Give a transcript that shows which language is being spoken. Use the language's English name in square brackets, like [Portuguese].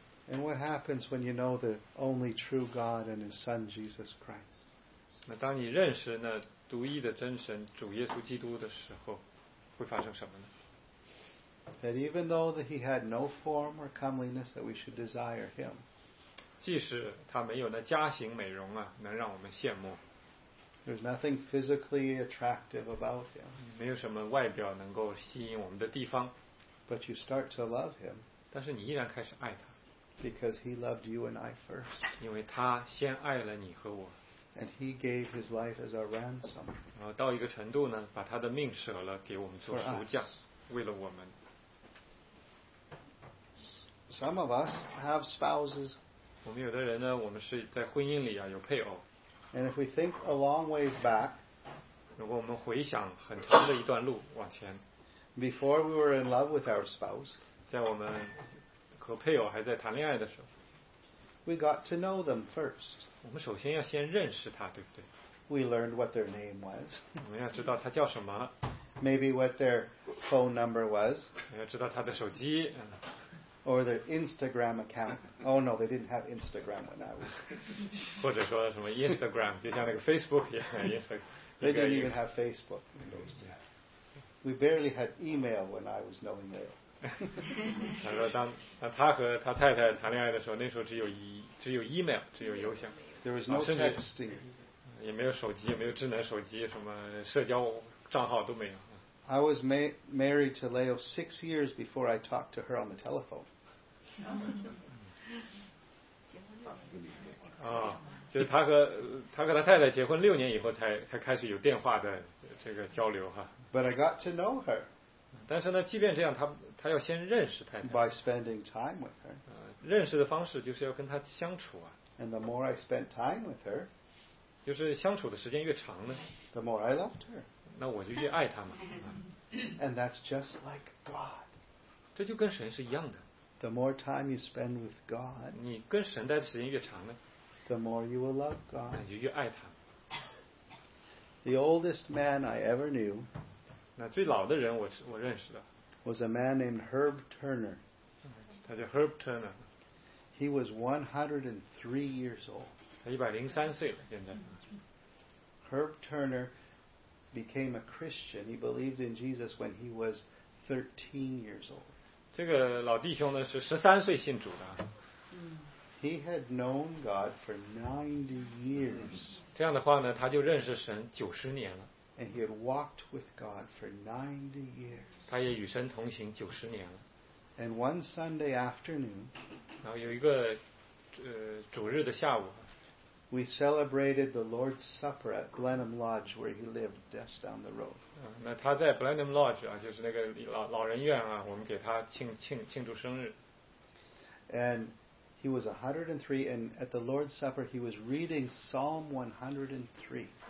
[English] And what happens when you know the only true God and His Son Jesus Christ? [Chinese] 那当你认识那独一的真神主耶稣基督的时候，会发生什么呢？ [English] That even though that he had no form or comeliness, that we should desire him. [Chinese] 即使他没有那家型美容啊，能让我们羡慕。 [English] There's nothing physically attractive about him. [Chinese] 没有什么外表能够吸引我们的地方。 [English] But you start to love him. [Chinese] 但是你依然开始爱他。 [English] Because he loved you and I first. [Chinese] 因为他先爱了你和我。 [English] And he gave his life as a ransom. [Chinese] 然后到一个程度呢，把他的命舍了给我们做赎价，为了我们。 [English] Some of us have spouses. [Chinese] 我们有的人呢，我们是在婚姻里啊有配偶。 [English] And if we think a long ways back, [Chinese] 如果我们回想很长的一段路往前 [English] ，before we were in love with our spouse, [Chinese] 在我们和配偶还在谈恋爱的时候 [English] ，we got to know them first. [Chinese] 我们首先要先认识他，对不对 [English] ？We learned what their name was. [Chinese] 我们要知道他叫什么。 [English] Maybe what their phone number was. [Chinese] 要知道他的手机。 [English] Or their Instagram account. Oh no, they didn't have Instagram when I was. [Chinese] 或者说什么 Instagram， 就像那个 Facebook 一样 ，Instagram。 [English] They didn't even have Facebook in those days. We barely had email when I was knowing mail. [Chinese] 他说当他和他太太谈恋爱的时候，那时候只有 email， 只有邮箱。 [English] There was no texting. [Chinese] 也没有手机，也没有智能手机，什么社交账号都没有。 [English] I was married to Leo 6 years before I talked to her on the telephone. [Chinese] 啊，就是他和他太太结婚六年以后才开始有电话的这个交流哈。 [English] But I got to know her. [Chinese] 但是呢，即便这样，他要先认识太太。 [English] By spending time with her. [Chinese] 认识的方式就是要跟她相处啊。 [English] And the more I spent time with her, [Chinese] 就是相处的时间越长呢 [English] ，the more I loved her. [Chinese] 那我就越爱他嘛。 [English] And that's just like God. [Chinese] 这就跟神是一样的。 [English] The more time you spend with God, [Chinese] 你跟神待的时间越长呢 [English] ，the more you will love God. [Chinese] 那你就越爱他。 [English] The oldest man I ever knew, [Chinese] 那最老的人我认识的 [English] ，was a man named Herb Turner. [Chinese] 他叫 Herb Turner. [English] He was 103 years old. [Chinese] 他103岁了现在。 [English] Herb Turner. Became a Christian. He believed in Jesus when he was 13 years old. [Chinese] 这个老弟兄呢是13岁信主的。 [English] He had known God for 90 years. [Chinese] 这样的话呢，他就认识神90年了。 [English] And he had walked with God for 90 years. [Chinese] 他也与神同行90年了。 [English] And one Sunday afternoon, [Chinese] 然后有一个主日的下午。 [English] We celebrated the Lord's Supper at Blenheim Lodge, where he lived just down the road. [Chinese] 那他在 Blenheim Lodge 啊，就是那个老人院啊，我们给他庆祝生日。 [English] And he was 103, and at the Lord's Supper, he was reading Psalm 103.